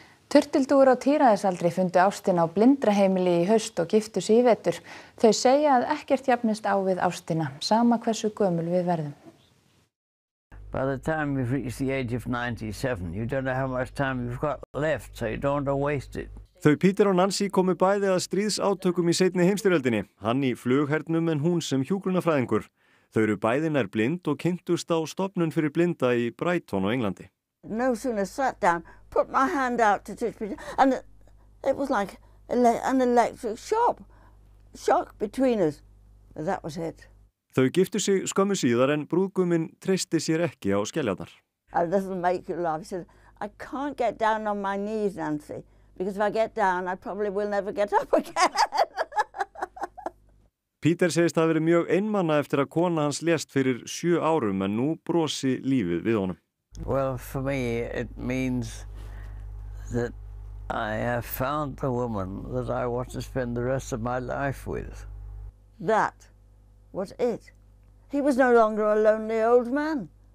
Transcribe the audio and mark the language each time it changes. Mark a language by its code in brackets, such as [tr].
[is] Turtildúr á tíræðisaldri fundu ástina á blindraheimili í haust og giftu sig í vetur. Þau segja að ekkert jafnist á við ástina, sama hversu gömul við verðum. [en] By the time you've reached the age of 97, you don't know how much time you've got left, so you don't want to waste it. [is] Þau Peter og Nancy komu bæði að stríðsátökum í seinni heimstyrjöldinni, hann í flughernum en hún sem hjúkrunarfræðingur. Þau eru bæði nær blind og kynntust á stofnun fyrir blinda í Brighton á Englandi. [en] No sooner sat down, put my hand out to touch Peter, and it was like an electric shock between us. That was it. [is] Þau giftu sig skömmu síðar en brúðguminn treysti sér ekki á skeljarnar. [en] That'll make you laugh. He said, I can't get down on my knees, Nancy, because if I get down, I probably will never get up again. [is] Peter segist að verið mjög einmana eftir að kona hans lést fyrir 7 árum en nú brosi lífið við honum. [en] Well, for me, it means that I have found the woman that I want to spend the rest of my life with. That was it. He was no longer a lonely old man.